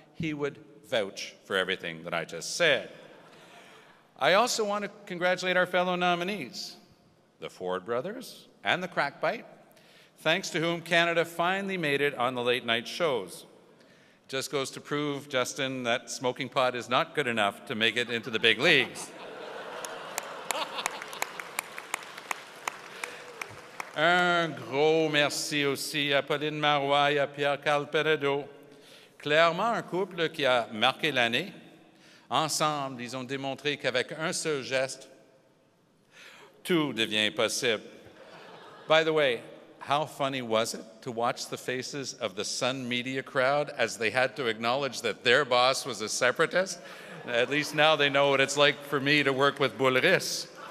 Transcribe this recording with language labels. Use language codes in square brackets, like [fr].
[en] He would vouch for everything that I just said. I also want to congratulate our fellow nominees, the Ford brothers and the Crackbite, thanks to whom Canada finally made it on the late night shows. Just goes to prove, Justin, that smoking pot is not good enough to make it into the big leagues. [fr] Un gros merci aussi à Pauline Marois et à Pierre-Carl Pelletot. Clairement, un couple qui a marqué l'année. Ensemble, ils ont démontré qu'avec un seul geste, tout devient possible. [en] By the way, how funny was it to watch the faces of the Sun Media crowd as they had to acknowledge that their boss was a separatist? At least now they know what it's like for me to work with Boulris.